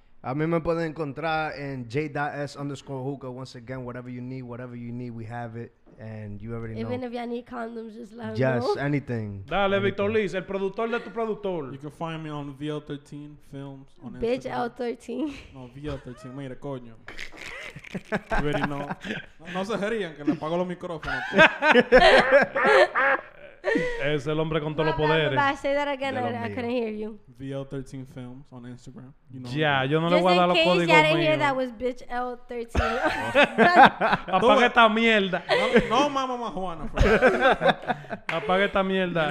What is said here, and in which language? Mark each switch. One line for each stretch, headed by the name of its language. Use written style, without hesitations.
Spanish: A mí me pueden encontrar en J.S.
English: underscore hookah. Once again, whatever you need, we have it. And you already even know. Even if y'all need condoms, just let me know. Yes, anything.
Spanish: Dale, Victor Liz, el productor de tu productor.
English: You can find me on VL13 Films on bitch Instagram. Bitch, L13.
Spanish: No, VL13. Mira, coño.
English: You already know.
Spanish: No se rían, que le apago los micrófonos. Es el hombre con todos los poderes.
English: But I say that again, I couldn't hear you. VL13 Films on Instagram. You know, yeah,
Spanish: yo no le voy a dar los códigos.
English: Just in case you didn't hear that was bitch L13.
Spanish: Apaga esta mierda. No, no mama Juana. Apaga esta mierda.